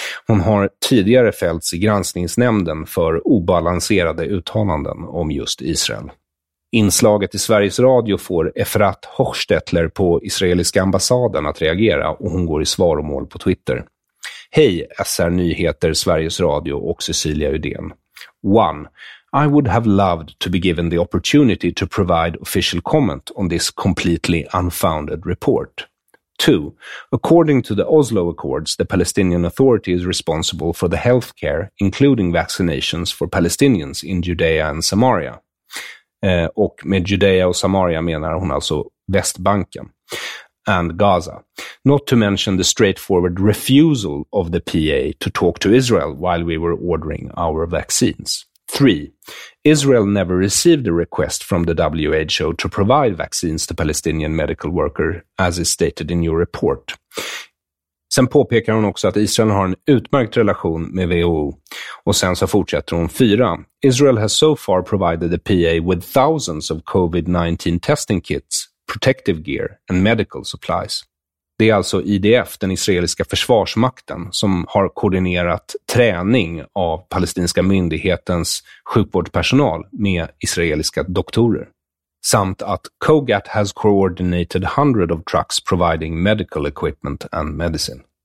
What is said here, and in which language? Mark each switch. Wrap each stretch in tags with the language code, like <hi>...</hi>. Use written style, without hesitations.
<sv>Hon har tidigare fällts i granskningsnämnden för obalanserade uttalanden om just Israel. Inslaget i Sveriges Radio får Efrat Hochstetler på israeliska ambassaden att reagera och hon går i svaromål på Twitter. Hej SR Nyheter, Sveriges Radio och Cecilia Udén. 1.</sv> <en>I would have loved to be given the opportunity to provide official comment on this completely unfounded report. 2. According to the Oslo Accords, the Palestinian Authority is responsible for the health care, including vaccinations for Palestinians in Judea and Samaria.</en> <sv>Och med Judea och Samaria menar hon alltså Västbanken</sv> <en>and</en> <sv>Gaza.</sv> <en>Not to mention the straightforward refusal of the PA to talk to Israel while we were ordering our vaccines. 3. Israel never received a request from the WHO to provide vaccines to Palestinian medical worker, as is stated in your report.</en> <sv>Sen påpekar hon också att Israel har en utmärkt relation med WHO. Och sen så fortsätter hon 4.</sv> <en>Israel has so far provided the PA with thousands of COVID-19 testing kits, protective gear and medical supplies.</en> <sv>Det är alltså IDF, den israeliska försvarsmakten, som har koordinerat träning av palestinska myndighetens sjukvårdspersonal med israeliska doktorer. Samt att</sv> <en>COGAT has coordinated 100 of trucks providing medical equipment and medicine.</en>